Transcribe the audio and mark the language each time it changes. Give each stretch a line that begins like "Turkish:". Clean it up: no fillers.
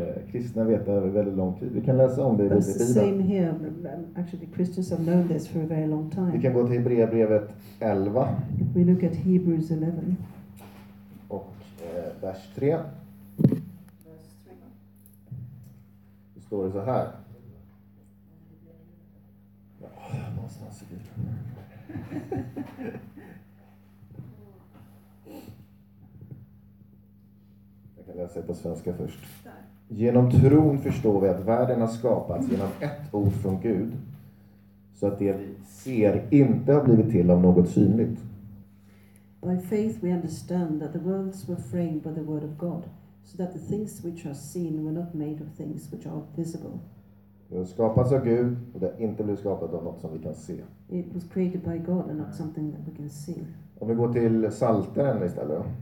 Swedish: Kristna vet över väldigt lång tid. Vi kan läsa om det i Bibeln.
English: The same here. Actually, Christians have known this for a very long time.
Swedish: Vi kan gå till Hebreerbrevet 11.
English: If we look at Hebrews 11.
Swedish: Och vers 3. Det står det så här. Ja, någonstans i Bibeln. Jag kan läsa det på svenska först. Genom tron förstår vi att världen har skapats genom ett ord från Gud, så att det vi ser inte har blivit till av något synligt.
English: By faith we understand that the worlds were framed by the word of God, so that the things which are seen were not made of things which are visible.
Swedish: Det har skapats av Gud och det har inte blivit skapat av något som vi kan se.
English: It was created by God and not something that we can see.
Swedish: Om vi går till Psaltaren istället.